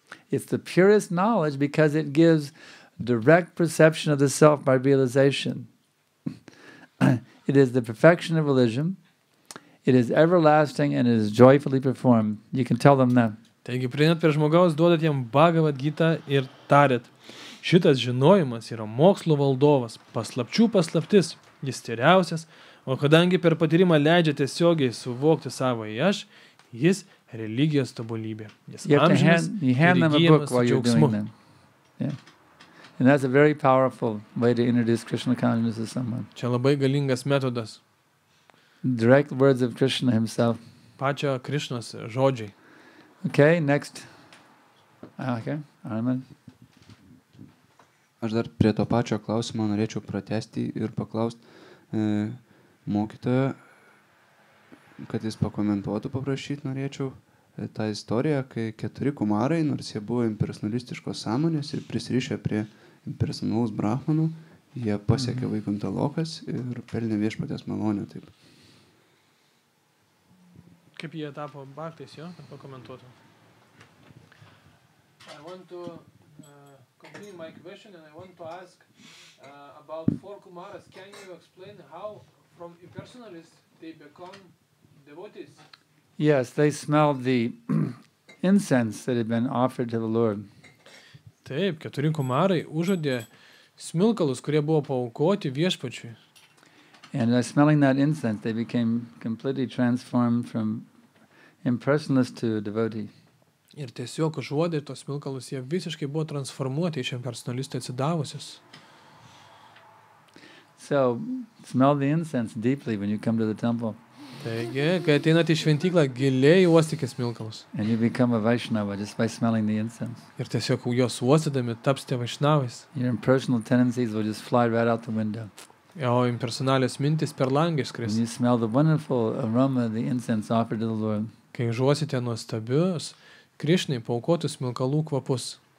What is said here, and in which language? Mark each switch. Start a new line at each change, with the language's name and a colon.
English: It's the purest knowledge because it gives direct perception of the self by realization. It is the perfection of religion. It is everlasting and it is joyfully performed." You can tell them that.
Lithuanian: Taigi, prieinat prie žmogaus, duodat jam Bhagavad Gita ir tarit. Šitas žinojimas yra mokslo valdovas, paslapčių paslaptis, jis tyriausias, o kadangi per patyrimą leidžia tiesiogiai suvokti savo į aš, jis religijos tobulybė. Jis amžinas,
English: And that's a very powerful way to introduce Krishna consciousness to someone.
Lithuanian: Čia labai galingas metodas.
English: Direct words of Krishna himself.
Lithuanian: Pačio Krishnos žodžiai.
English: Okay, next. Okay, Arman.
Lithuanian: Aš dar prie to pačio klausimo norėčiau pratesti ir paklausti mokytojo, kad jis pakomentuotų paprašyti norėčiau. Tą istoriją, kai keturi kumarai, nors jie buvo impersonalistiškos sąmonės ir prisirišę prie impersonalus brahmanų, jie pasiekė Vaikuntą lokas ir pelnė viešpatės malonę taip. Kaip jie tapo baktais, jo? Ar pakomentuotų?
English: I want to complete my question and I want to ask about four kumaras. Can you explain how from impersonalists they become devotees? Yes, they smelled the incense that had been offered to the Lord.
Lithuanian: Taip, keturi kumarai užuodė smilkalus, kurie buvo paaukoti viešpačiui.
English: And by smelling that incense, they became completely transformed from impersonalist to devotee.
Lithuanian: Ir tiesiog užuodė tos smilkalus, jie visiškai buvo transformuoti iš impersonalisto atsidavusius.
English: So, smell the incense deeply when you come to the temple.
Lithuanian: Taigi, kai ateinat į šventyklą, giliai uostykis smilkalus.
English: And you become a Vaishnava just by smelling the incense.
Lithuanian: Ir tiesiog juos uostydami tapsite Vaishnavais.
English: Your impersonal tendencies will just fly right out the window.
Lithuanian: O impersonalios mintys per langą iškris.
English: You smell the wonderful aroma of the incense offered to the Lord.
Lithuanian: Kai užuosite nuostabius Krišnai paukotus smilkalų kvapus.